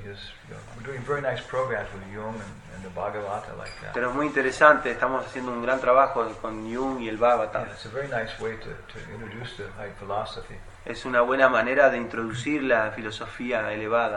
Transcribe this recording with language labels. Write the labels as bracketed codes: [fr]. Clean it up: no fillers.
[en] He's, you know, we're doing very nice programs with Jung and the Bhagavata like that. [es] Pero es muy interesante. Estamos haciendo un gran trabajo con Jung y el Bhagavata. [en] Yeah, it's a very nice way to introduce the high philosophy. [es] Es una buena manera de introducir la filosofía elevada.